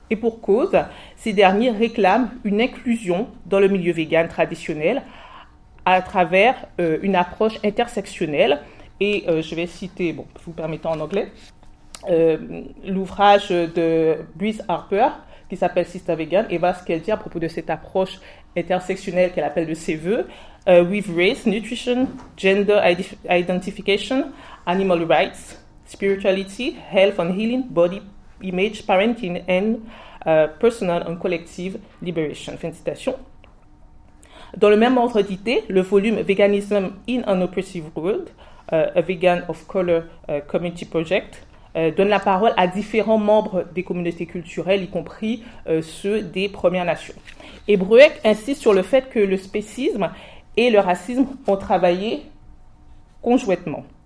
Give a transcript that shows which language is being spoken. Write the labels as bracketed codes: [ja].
[fr] Et pour cause, ces derniers réclament une inclusion dans le milieu végan traditionnel à travers une approche intersectionnelle. Et je vais citer, bon, vous permettant en anglais, l'ouvrage de Bryce Harper qui s'appelle Sister Vegan et voilà ce qu'elle dit à propos de cette approche intersectionnelle qu'elle appelle de ses voeux. [en] With race, nutrition, gender identification, animal rights, spirituality, health and healing, body image, parenting and personal and collective liberation. [fr] Fin de citation. Dans le même ordre d'idée, le volume Veganism in an Oppressive World, A Vegan of Color Community Project, donne la parole à différents membres des communautés culturelles, y compris ceux des Premières Nations. Et Bruek insiste sur le fait que le spécisme et le racisme ont travaillé conjointement.